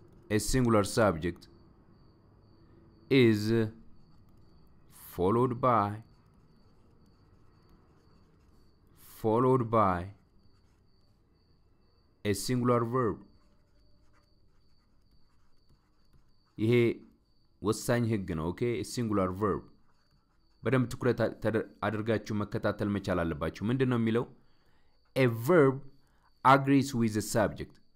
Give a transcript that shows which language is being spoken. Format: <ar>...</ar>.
<en>A singular subject is followed by a singular verb.</en> <am>ይሄ ወሳኝ ህግ ነው። ኦኬ singular verb በደንብ ትኩረት አድርጋችሁ መከታተል መቻል አለባችሁ። ምንድነው የሚለው?</am> <en>A verb agrees with the subject.</en>